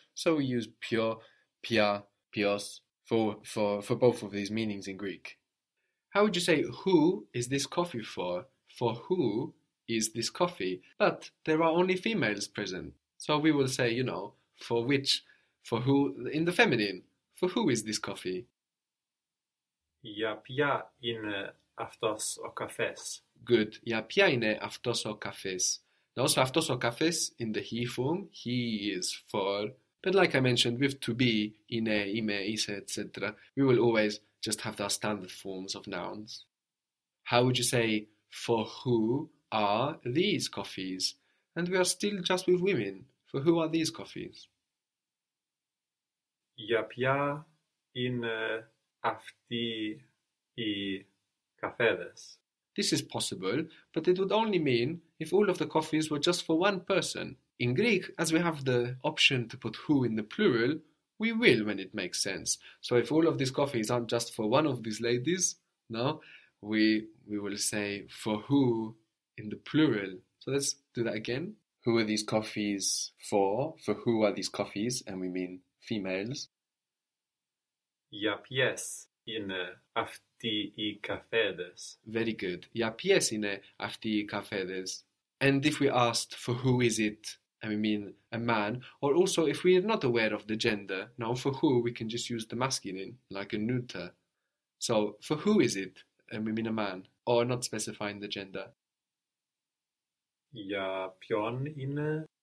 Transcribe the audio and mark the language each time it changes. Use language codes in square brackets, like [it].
[en] So we use pio, pia, pios for both of these meanings in Greek. How would you say who is this coffee for? For who is this coffee? But there are only females present. So we will say, you know, for which, for who, in the feminine. For who is this coffee? [el] Για πια είναι αυτός ο καφές. [en] Good. [el] Για ποια είναι αυτός ο καφές. [en] Now, so [el] αυτός ο καφές [en] in the he form, he is for. But like I mentioned, with to be, είναι, είμαι, είσαι, etc. We will always just have the standard forms of nouns. How would you say, for who are these coffees? And we are still just with women. For who are these coffees? [el] Για ποια είναι αυτοί οι καφέδες? [en] This is possible, but it would only mean if all of the coffees were just for one person. In Greek, as we have the option to put who in the plural, we will when it makes sense. So if all of these coffees aren't just for one of these ladies, no, we will say for who in the plural. So let's do that again. Who are these coffees for? For who are these coffees? And we mean females. [el] Για ποιες είναι αυτοί οι καφέδες? [en] Very good. [el] Για ποιες είναι αυτοί οι καφέδες? [en] And if we asked for who is it, and we mean a man, or also if we are not aware of the gender, now for who we can just use the masculine, like a neuter. So for who is it, and we mean a man, or not specifying the gender. [el] Για ποιον είναι?